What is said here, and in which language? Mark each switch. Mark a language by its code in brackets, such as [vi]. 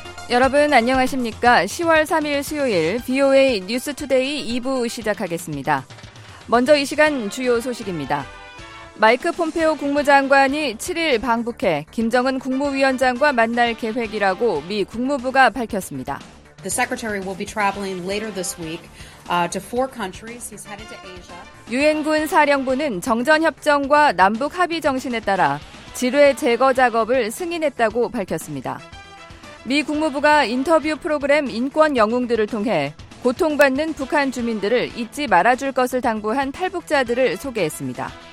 [ko] 여러분 안녕하십니까? 10월 3일 수요일 VOA 뉴스 투데이 2부 시작하겠습니다. 먼저 이 시간 주요 소식입니다. 마이크 폼페오 국무장관이 7일 방북해 김정은 국무위원장과 만날 계획이라고 미 국무부가 밝혔습니다. [en] The secretary will be traveling later this week to four countries. He's headed to Asia. [ko] 유엔군 사령부는 정전 협정과 남북 합의 정신에 따라 지뢰 제거 작업을 승인했다고 밝혔습니다. 미 국무부가 인터뷰 프로그램 인권 영웅들을 통해 고통받는 북한 주민들을 잊지 말아줄 것을 당부한 탈북자들을 소개했습니다.